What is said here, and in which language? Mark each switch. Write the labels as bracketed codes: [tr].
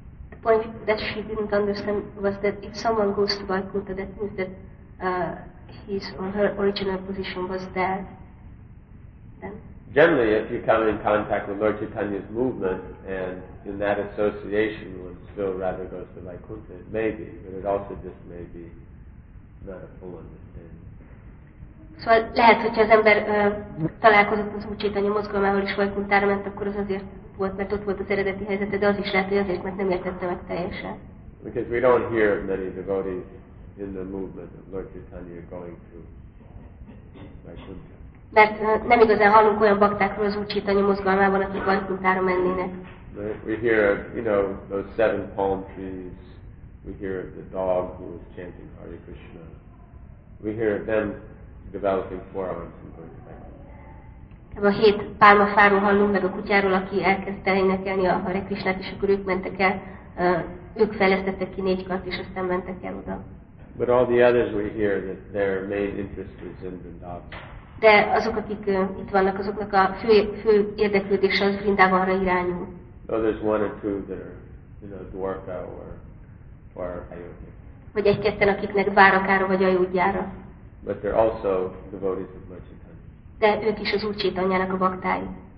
[en] The point that she didn't understand was that if someone goes to Vaikuntha, that means that his or her original position was there, then? Generally, if you come in contact with Lord Chaitanya's movement and in that association one still rather goes to Vaikuntha, it may be, but it also just may be not a full understanding. [hu] Szóval lehet, hogyha az ember találkozott az Úr Chaitanya mozgalmával is Vaikunthára ment, akkor az azért volt, mert ott volt az eredeti helyzete, de az is lehet, hogy azért, mert nem értette meg teljesen. [en] Because we don't hear of many devotees in the movement of Lord Chaitanya going to Vaikuntha. [hu] Mert nem igazán hallunk olyan baktákról az Úr Chaitanya mozgalmában, akik Vaikunthára mennének. [en] We hear of, you know, those seven palm trees. We hear of the dog who is chanting Hare Krishna. We hear of them developing forearms and going to Vaikuntha. [hu] A hét pálmafáról hallunk, meg a kutyáról, aki elkezd elénekelni a Hare Krishnát, és akkor ők mentek el. Ők fejlesztettek ki négy kart, és aztán mentek el oda. [en] But all the others we hear that their main interest is in Vrindavan. [hu] De azok, akik itt vannak, azoknak a fő érdeklődése az Vrindavanra irányul. [en] Though there's one or two that are, you know, Dwarka or Ayodhya. [hu] Vagy egy-ketten, akiknek Dwarakára vagy Ayodhyára. [en] But they're also devotees of Lord Chaitanya. [hu] De ők is az Úr Chaitanyának a baktái.